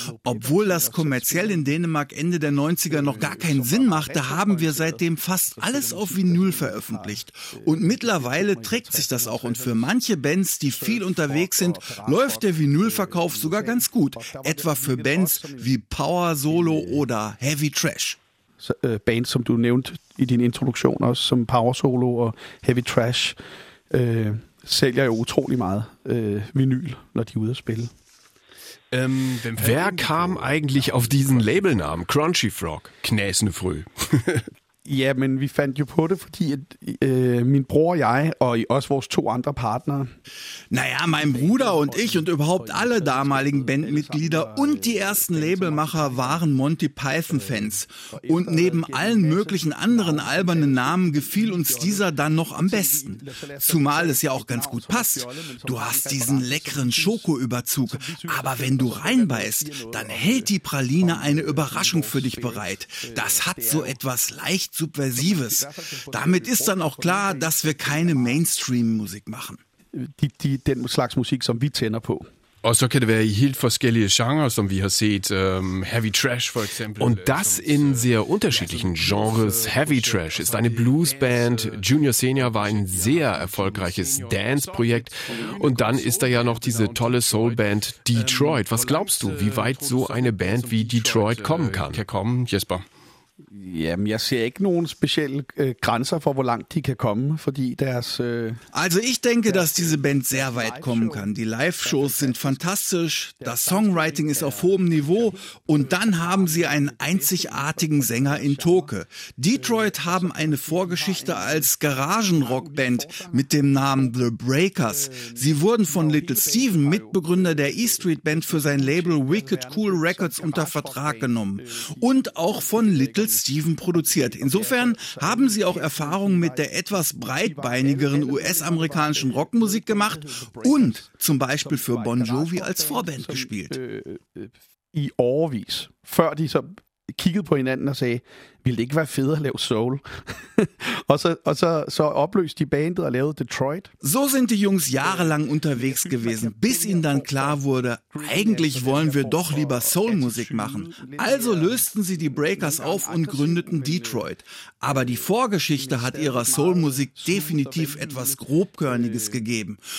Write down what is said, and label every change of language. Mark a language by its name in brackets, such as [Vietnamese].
[German] Obwohl das kommerziell in Dänemark Ende der 90er noch gar keinen Sinn machte, haben wir seitdem fast alles auf Vinyl veröffentlicht. Und mittlerweile trägt sich das auch. Und für manche Bands, die viel unterwegs sind, läuft der Vinylverkauf sogar ganz gut, etwa für Bands wie Power Solo oder Heavy Trash. [Danish] Bands, som du nævnte i din introduktion også, som Power Solo og Heavy Trash, sælger jo utrolig meget vinyl, når de er ude at spille. [German] Wer kam eigentlich auf diesen Labelnamen? [Danish] Crunchy Frog, knæsende frø. Ja, men vi fandt jo på det, fordi min bror og jeg og også vores 2 andre partnere. [German] Naja, mein Bruder und ich und überhaupt alle damaligen Bandmitglieder und die ersten Labelmacher waren Monty Python-Fans. Und neben allen möglichen anderen albernen Namen gefiel uns dieser dann noch am besten. Zumal es ja auch ganz gut passt. Du hast diesen leckeren Schokoüberzug, aber wenn du reinbeißt, dann hält die Praline eine Überraschung für dich bereit. Das hat so etwas leicht Subversives. Damit ist dann auch klar, dass wir keine Mainstream-Musik machen. [Danish] Den slags Musik, som vi tænder på. Og så kan det være i helt forskellige genres, som vi har set. Heavy Trash, for eksempel. [German] Und das in sehr unterschiedlichen Genres. Heavy Trash ist eine Bluesband. Junior Senior war ein sehr erfolgreiches Dance-Projekt. Und dann ist da ja noch diese tolle Soul-Band Detroit. Was glaubst du, wie weit so eine Band wie Detroit kommen kann? Kommen, Jesper. [Danish] Jamen, jeg ser ikke nogen specielle grænser for, hvor langt de kan komme, fordi deres... [German] Also ich denke, dass diese Band sehr weit kommen kann. Die Live-Shows sind fantastisch, das Songwriting ist auf hohem Niveau und dann haben sie einen einzigartigen Sänger in Toke. Detroit haben eine Vorgeschichte als Garagenrockband mit dem Namen The Breakers. Sie wurden von Little Steven, Mitbegründer der E Street Band, für sein Label Wicked Cool Records unter Vertrag genommen. Und auch von Little Steven produziert. Insofern haben sie auch Erfahrungen mit der etwas breitbeinigeren US-amerikanischen Rockmusik gemacht und zum Beispiel für Bon Jovi als Vorband gespielt. [Danish] I årvis, før de så kiggede på hinanden og sagde, ville det ikke være fedt at lave soul? Og så opløste de bandet og lavede Detroit. [German] So sind die Jungs jahrelang unterwegs gewesen, bis ihnen dann klar wurde, eigentlich wollen wir doch lieber Soulmusik machen. Also lösten sie die Breakers auf und gründeten Detroit. Aber die Vorgeschichte hat ihrer Soulmusik definitiv etwas Grobkörniges gegeben.